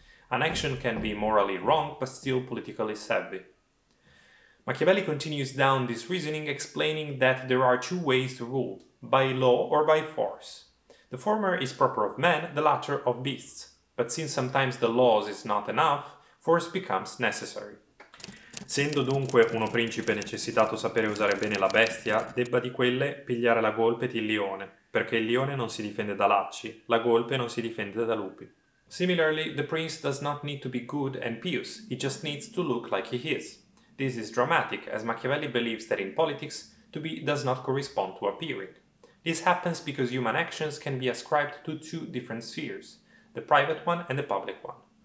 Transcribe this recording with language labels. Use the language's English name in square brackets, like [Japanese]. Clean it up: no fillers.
[English] An action can be morally wrong, but still politically savvy. Machiavelli continues down this reasoning, explaining that there are two ways to rule, by law or by force. The former is proper of men, the latter of beasts. But since sometimes the laws is not enough, force becomes necessary. [Italian] Sendo dunque uno principe necessitato sapere usare bene la bestia, debba di quelle pigliare la golpe di leone, perché il leone non si difende da lacci, la golpe non si difende da lupi. [English] Similarly, the prince does not need to be good and pious, he just needs to look like he is. This is dramatic, as Machiavelli believes that in politics, to be does not correspond to appearing. This happens because human actions can be ascribed to two different spheres, the private one and the public one.